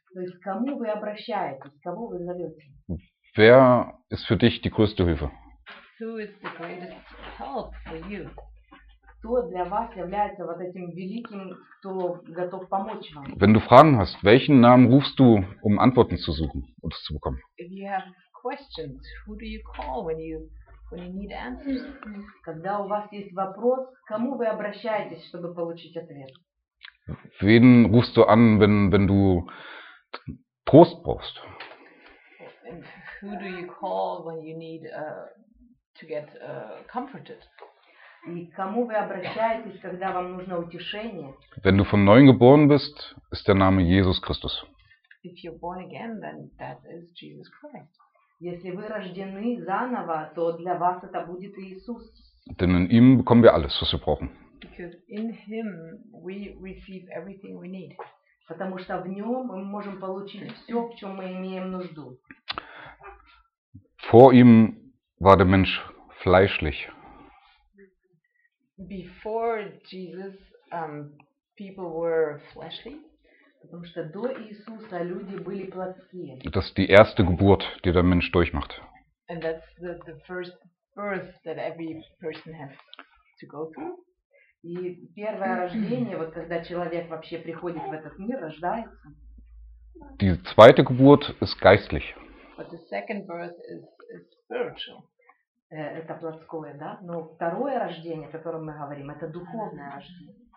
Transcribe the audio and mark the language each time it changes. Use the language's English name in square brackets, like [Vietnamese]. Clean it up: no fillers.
[Russian] То есть, кому вы обращаетесь, кого вы зовете? [German] Wer ist für dich die größte Hilfe? [English] Who is the greatest help for you? [Russian] Кто для вас является вот этим великим, кто готов помочь вам? [German] Wenn du Fragen hast, welchen Namen rufst du, um Antworten zu suchen und zu bekommen? [English] If you have questions, who do you call when you need answers? [Russian] Когда у вас есть вопрос, кому вы обращаетесь, чтобы получить ответ? [German] Wen rufst du an, wenn du Trost brauchst? [English] And who do you call when you need to get comforted? [Russian] И кому вы обращаетесь, когда вам нужно утешение? [German] Wenn du von neuem geboren bist, ist der Name Jesus Christus. [English] If you're born again, then that is Jesus Christ. [Russian] Если вы рождены заново, то для вас это будет Иисус. [German] Denn in ihm bekommen wir alles, was wir brauchen. [English] Because in him we receive everything we need. [Russian] Потому что в нем мы можем получить все, в чем мы имеем нужду. [German] Vor ihm war der Mensch fleischlich. [English] Before Jesus, people were fleshly. [Russian] Потому что до Иисуса люди были плотские. [German] Das ist die erste Geburt, die der Mensch durchmacht. [English] And that's the first birth that every person has to go through. [Russian] И первое рождение, вот когда человек вообще приходит в этот мир, рождается. [German] Die zweite Geburt ist geistlich. [English] But the second birth is spiritual. [Russian] Это плотское, да? Но второе рождение, о котором мы говорим, это духовное рождение.